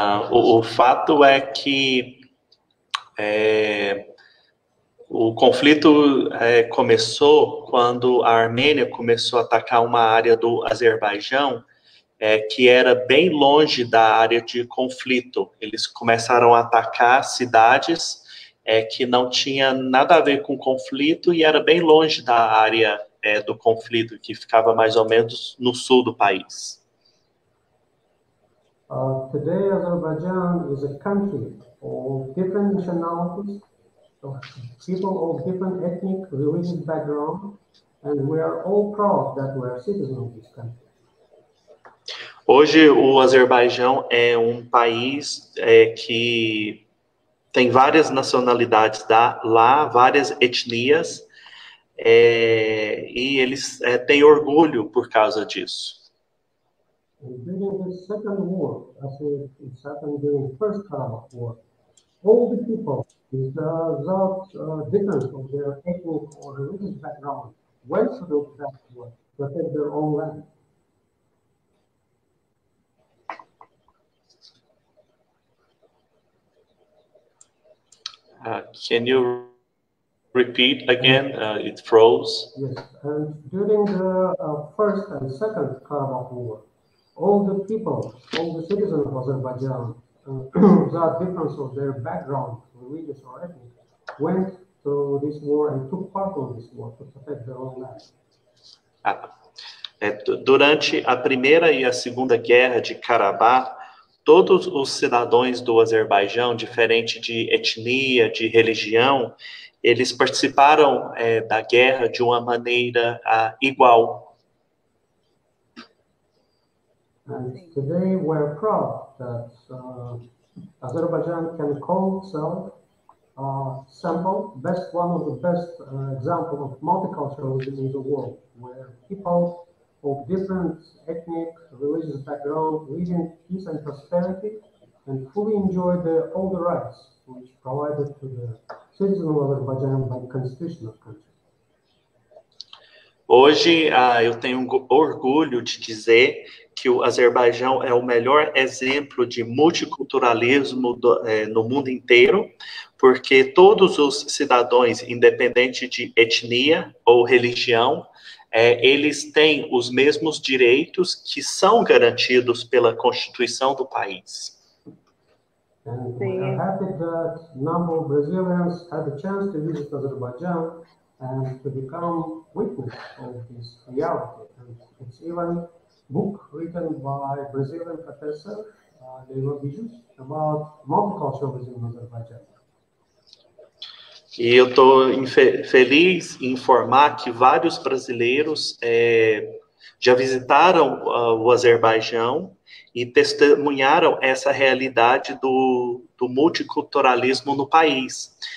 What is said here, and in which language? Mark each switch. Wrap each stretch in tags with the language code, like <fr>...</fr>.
<pt>O fato é que o conflito começou quando a Armênia começou a atacar uma área do Azerbaijão que era bem longe da área de conflito. Eles começaram a atacar cidades que não tinha nada a ver com o conflito e era bem longe da área do conflito, que ficava mais ou menos no sul do país.</pt> <en>Today, Azerbaijan is a country of different nationalities, of people of different ethnic, religious background, and we are all proud that we are citizens of this country.</en> <pt>Hoje, o Azerbaijão é um país que tem várias nacionalidades várias etnias, e eles têm orgulho por causa disso.</pt> <en>During the Second War, as it happened during the First Arab War, all the people, without difference of their ethnic or religious background, went to the back to protect their own land. Can you repeat again? It froze. Yes, and during the First and Second Karabakh War, all the people, all the citizens of Azerbaijan, without difference of their background, religious or ethnic, went to this war and took part of this war to protect their own land.</en> <pt>Durante a Primeira e a Segunda Guerra de Karabakh, todos os cidadãos do Azerbaijão, diferente de etnia, de religião, eles participaram da guerra de uma maneira igual.</pt> <en>And today we're proud that Azerbaijan can call itself sample, best one of the best example of multiculturalism in the world, where people of different ethnic, religious background, live in peace and prosperity, and fully enjoy all the rights which provided to the citizens of Azerbaijan by the constitution of the country.</en> <pt>Hoje, eu tenho orgulho de dizer que o Azerbaijão é o melhor exemplo de multiculturalismo no mundo inteiro, porque todos os cidadãos, independente de etnia ou religião, eles têm os mesmos direitos que são garantidos pela Constituição do país.</pt> <en>I'm happy that a number of Brazilians had the chance to visit Azerbaijan and to become witness of this reality. And it's even a book written by a Brazilian professor, Leila Bijus, about multiculturalism in Azerbaijan.</en> <pt>E eu estou feliz em informar que vários brasileiros já visitaram o Azerbaijão e testemunharam essa realidade do multiculturalismo no país.</pt>